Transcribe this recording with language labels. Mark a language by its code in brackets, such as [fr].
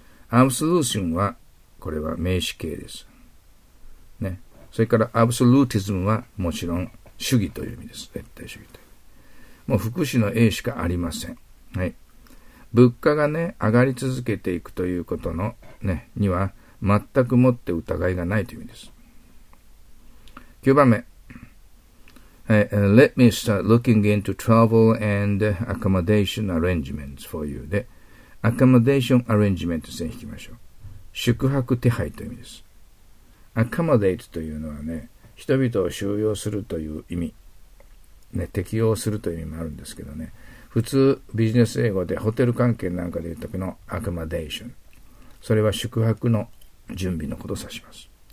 [ja] absolution はこれは名詞形です、ね、それから absolutism はもちろん主義という意味です。絶対主義という、もう副詞の A しかありません。はい、物価がね、上がり続けていくということのね、には全くもって疑いがないという意味です。 9番目。 [en] Let me start looking into travel and accommodation arrangements for you. [ja] で、 [en] accommodation arrangement [ja] 線引きましょう。宿泊手配という意味です。accommodate というのはね、人々を収容するという意味。ね、適用するという意味もあるんですけどね。普通ビジネス英語でホテル関係なんかで言うときのアクマデーション、それは宿泊の準備のことを指します。